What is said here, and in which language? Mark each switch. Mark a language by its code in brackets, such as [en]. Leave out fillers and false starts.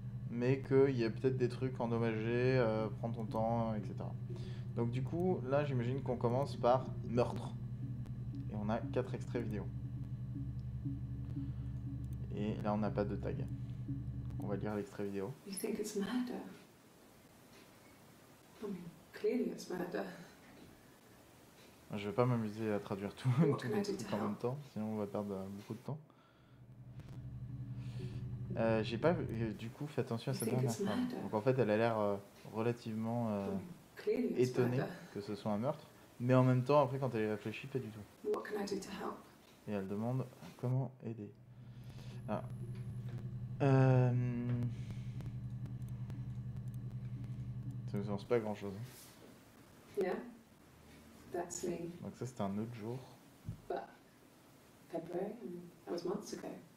[fr] Mais qu'il y a peut-être des trucs endommagés, prends ton temps, etc. Donc du coup, là, j'imagine qu'on commence par meurtre. Et on a quatre extraits vidéo. Et là, on n'a pas de tag. On va lire l'extrait vidéo. [en] You think it's murder? I mean, clearly it's murder. [fr] Je vais pas m'amuser à traduire tous les trucs en même temps, sinon on va perdre beaucoup de temps. J'ai pas du coup fait attention à sa dernière phrase. Donc en fait, elle a l'air relativement étonnée que ce soit un meurtre, mais en même temps, après, quand elle y réfléchit, pas du tout. [en] What can I do to help? [fr] Et elle demande comment aider. Alors, ça ne nous annonce pas grand-chose. Hein. [en] Yeah, that's me. [fr] Donc ça, c'était un autre jour. [en] But February, that was months ago.